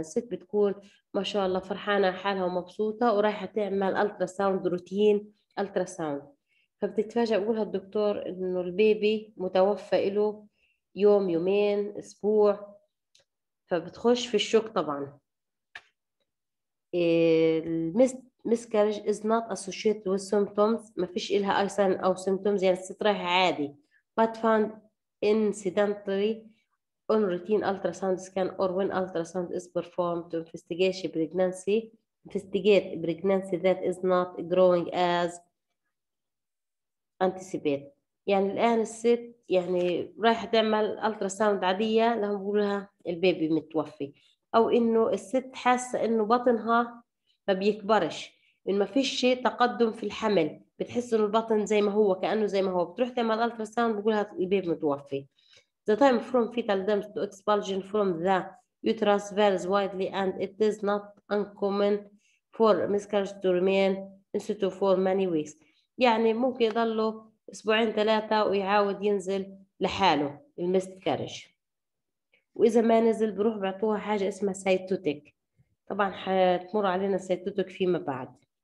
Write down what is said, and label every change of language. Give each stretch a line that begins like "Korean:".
Arabic: الست بتكون ما شاء الله فرحانة حالها ومبسوطة ورايحة تعمل ألترا ساوند روتين ألترا ساوند، فبتتفاجأ بقولها الدكتور إنه البيبي متوفى له يوم يومين أسبوع، فبتخش في الشوك. طبعا الميست ميسكارج
English: is not associated with symptoms،
Arabic: ما فيش إلها أي
English: sign أو symptoms,
Arabic: يعني الست رايحة عادي.
English: but found incidentally on routine ultrasound scan or when ultrasound is performed to investigate pregnancy that is not growing as anticipated.
Arabic: يعني الآن الست يعني رايحة تعمل ultrasound عادية لهم بقولها البيبي متوفي، أو إنه الست حاسة إنه بطنها ما بيكبرش، إن ما فيش شيء تقدم في الحمل، بتحس إنه البطن زي ما هو، كأنه زي ما هو، بتروح تعمل ultrasound بقولها البيبي متوفي.
English: The time from fetal damage to expulsion from the uterus varies widely and it is not uncommon for miscarriage to remain in situ for many weeks.
Arabic: يعني ممكن يضلوا أسبوعين ثلاثة ويعاود ينزل لحاله الميسكارج، وإذا ما نزل بروح بعطوها حاجة اسمها سايتوتيك. طبعا حتمر علينا السايتوتيك فيما بعد.